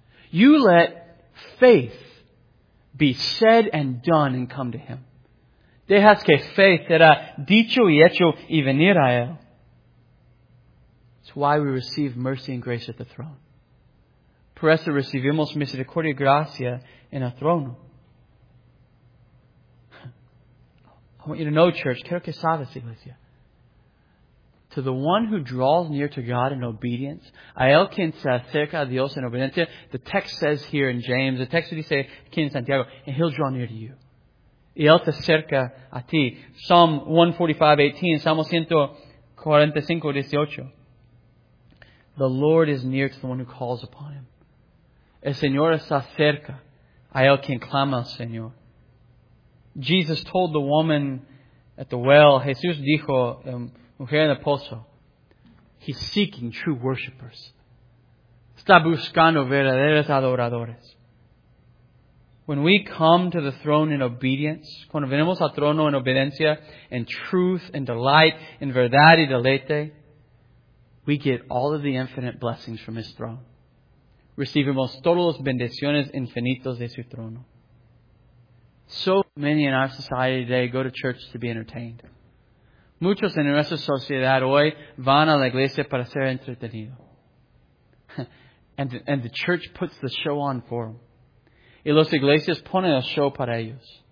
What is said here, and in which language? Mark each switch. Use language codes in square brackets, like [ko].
[en] You let faith be said and done and come to Him. [es] Dejas que fe será dicho y hecho y venir a Él. [en] It's why we receive mercy and grace at the throne. [es] Por eso recibimos misericordia y gracia en el trono. [en] I want you to know, church, [es] quiero que sabes, iglesia. [en] To the one who draws near to God in obedience, [es] a él quien se acerca a Dios en obediencia, [en] the text says here in James, the text would say [es] aquí en Santiago, [en] and he'll draw near to you. [es] Y él te acerca a ti. [en] Psalm 145:18, [es] Salmo 145:18. [en] The Lord is near to the one who calls upon Him. [es] El Señor está cerca a él quien clama al Señor. [en] Jesus told the woman at the well, [es] Jesús dijo, mujer en el pozo, [en] He's seeking true worshipers. [es] Está buscando verdaderos adoradores. [en] When we come to the throne in obedience, [es] cuando venimos al trono en obediencia, [en] in truth and delight, in [es] verdad y deleite, [en] we get all of the infinite blessings from His throne. [es] Recibimos todos los bendiciones infinitos de su trono. [en] So many in our society today go to church to be entertained. [es] Muchos en nuestra sociedad hoy van a la iglesia para ser entretenidos. [en] And the church puts the show on for them. [es] Y las iglesias ponen el show para ellos.